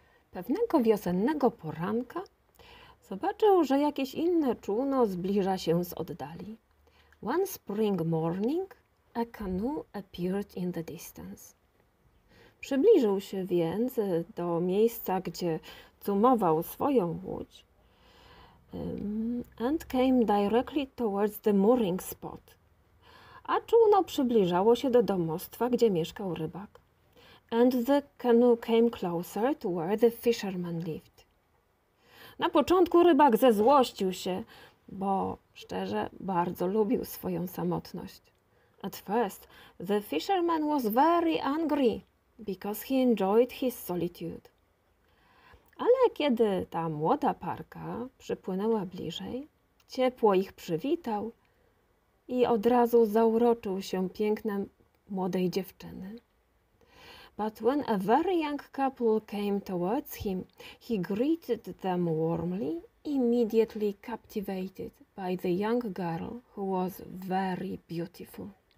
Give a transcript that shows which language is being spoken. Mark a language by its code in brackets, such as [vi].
[pl] Pewnego wiosennego poranka zobaczył, że jakieś inne czółno zbliża się z oddali. [en] One spring morning, a canoe appeared in the distance. [pl] Przybliżył się więc do miejsca, gdzie cumował swoją łódź, [en] and came directly towards the mooring spot. [pl] A czółno przybliżało się do domostwa, gdzie mieszkał rybak. [en] And the canoe came closer to where the fisherman lived. [pl] Na początku rybak zezłościł się, bo szczerze bardzo lubił swoją samotność. [en] At first, the fisherman was very angry, because he enjoyed his solitude. [pl] Ale kiedy ta młoda parka przypłynęła bliżej, ciepło ich przywitał i od razu zauroczył się pięknem młodej dziewczyny. [en] But when a very young couple came towards him, he greeted them warmly, immediately captivated by the young girl who was very beautiful.